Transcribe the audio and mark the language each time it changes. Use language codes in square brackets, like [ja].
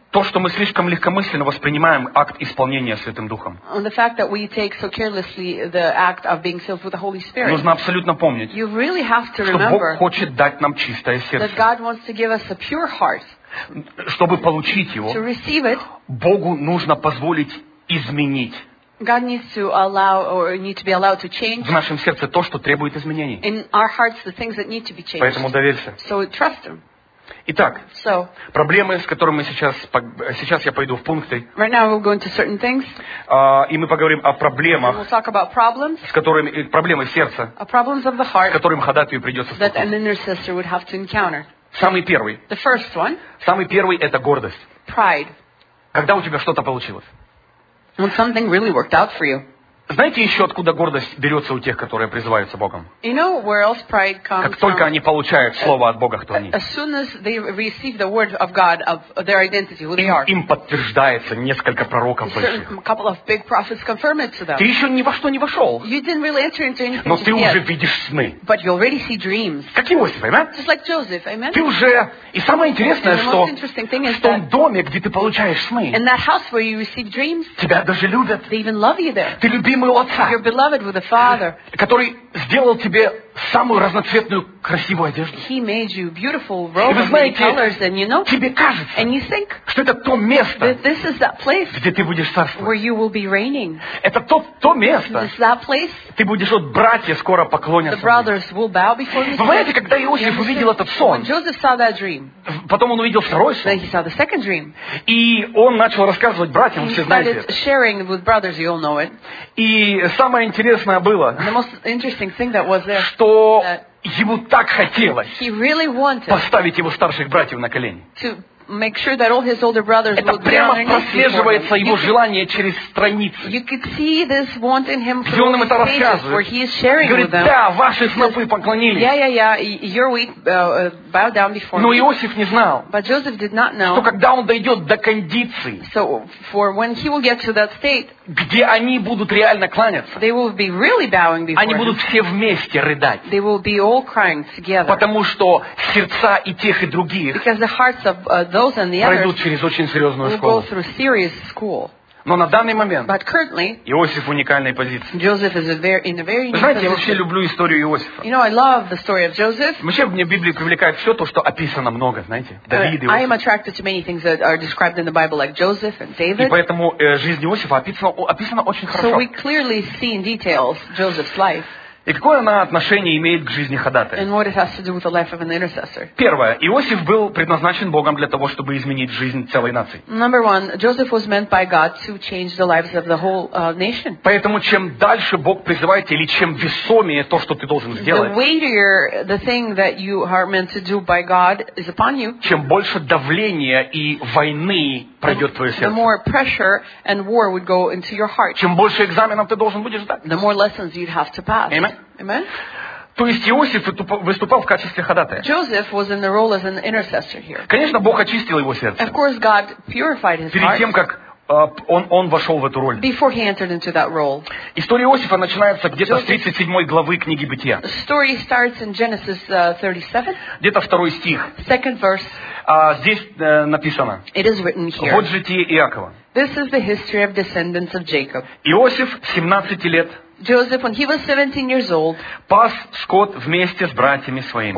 [ru] То, что мы слишком легкомысленно воспринимаем акт исполнения Святым Духом. [en] The fact that we take so carelessly the act of being filled with the Holy Spirit. [ru] Нужно абсолютно помнить, [en] you really have to remember, [ru] что Бог хочет дать нам чистое сердце. [en] That God wants to give us a pure heart. [ru] Чтобы получить его, [en] to receive it, [ru] Богу нужно позволить изменить [en] God needs to allow or need to be allowed to change [ru] в нашем сердце то, что требует изменений. [en] In our hearts the things that need to be changed. [ru] Поэтому доверься. [en] So trust him. [ru] Итак, [en] so, [ru] проблемы, с которыми мы сейчас я пойду в пункты. [en] Right now we'll go into certain things. [ru] И мы поговорим о проблемах. [en] We'll talk about problems. [ru] С которыми проблемы сердца. [en] Problems of the heart. [ru] С которыми ходатаю придется столкнуться. [en] That an intercessor would have to encounter. [ru] Самый первый. [en] The first one. [ru] Самый первый это гордость. [en] Pride. [ru] Когда у тебя что-то получилось? [en] When something really worked out for you. [ru] Знаете еще, откуда гордость берется у тех, которые призываются Богом? [en] You know where else pride comes [ru] Как только [en] from? [ru] Они получают слово от Бога, кто они. [en] As soon as they receive the word of God, of their identity, who they are. [ru] Им подтверждается несколько пророков больших. [en] A couple of big prophets confirm it to them. [ru] Ты еще ни во что не вошел. [en] You didn't really enter into anything [ru] Но ты уже видишь сны. [en] But you already see dreams. [ru] Как Иосиф, amen? [en] Just like Joseph, amen? [ru] Ты уже... И самое интересное, что в том доме, где ты получаешь сны, [en] in that house where you receive dreams, [ru] тебя даже любят. [en] They even love you there. [ru] Ты любишь [en] Your beloved with the Father, [ru] который сделал тебе самую разноцветную красивую одежду. [en] He made you beautiful robe of many colors, and you know. [ru] Тебе кажется, [en] and you think, [ru] что это то место, [en] that this is that place, [ru] где ты будешь царствовать. [en] Where you will be reigning. [ru] Это то место. [en] This is that place. [ru] Ты будешь вот братья скоро поклоняться. [en] The brothers will bow before me. [ru] Вы знаете, когда Иосиф увидел этот сон? [en] When Joseph saw that dream. [ru] Потом он увидел второй сон. [en] Then he saw the second dream. [ru] И он начал рассказывать братьям, все знаете. [en] He started sharing with brothers. You all know it. [ru] И самое интересное было, [en] the most interesting thing that was there, [ru] что ему так хотелось [en] he really wanted [ru] поставить его старших братьев на колени. [en] To make sure that all his older brothers [ru] Это прямо прослеживается его желание через страницы. [en] You could see this want in him [ru] где он им это рассказывает. Говорит, [en] them. [ru] Да, ваши снопы поклонились. [en] Yeah, your weak, bow down before [ru] Но [en] me. [ru] Иосиф не знал, [en] But Joseph did not know, [ru] что когда он дойдет до кондиции, [en] so for when he will get to that state, [ru] где они будут реально кланяться. [en] They will be really bowing before [ru] они будут все вместе рыдать. [en] They will be all crying together. [ru] Потому что сердца и тех, и других [en] because the hearts of those and the others [ru] пройдут через очень серьезную школу. [en] Will go through serious school. [ru] Но на данный момент [en] but currently, [ru] Иосиф в уникальной позиции. [en] Joseph is in a very [ru] знаете, [en] position. [ru] Я вообще люблю историю Иосифа. [en] You know, I love the story of Joseph. [ru] Вообще, мне в Библии привлекает все то, что описано много, знаете, Давид и Иосиф. [en] I am attracted to many things that are described in the Bible, like Joseph and David. [ru] И поэтому жизнь Иосифа описана очень хорошо. [en] So we clearly see in details Joseph's life. [ru] И какое она отношение имеет к жизни ходатая? Первое. Иосиф был предназначен Богом для того, чтобы изменить жизнь целой нации. [en] Number one. Joseph was meant by God to change the lives of the whole nation. [ru] Поэтому чем дальше Бог призывает, или чем весомее то, что ты должен сделать, [en] the weightier the thing that you are meant to do by God is upon you, [ru] чем больше давления и войны пройдет твое сердце, [en] the more pressure and war would go into your heart, [ru] чем больше экзаменов ты должен будешь сдать, [en] the more lessons you'd have to pass. Amen. [ru] То есть Иосиф выступал в качестве ходатая. [en] Joseph was in the role as an intercessor here. [ru] Конечно, Бог очистил его сердце. [en] Of course, God purified his [ru] перед тем, как он вошел в эту роль. [en] Before he entered into that role. [ru] История Иосифа начинается где-то с 37 главы книги Бытия. [en] Story starts in Genesis 37. [ru] Где-то второй стих. [en] Second verse. [ru] Здесь написано. [en] It is written here. [ru] Вот житие Иакова. [en] This is the history of descendants of Jacob. [ru] Иосиф, 17 лет. [en] Joseph, when he was 17 years old, [ru] пас скот вместе с братьями своими.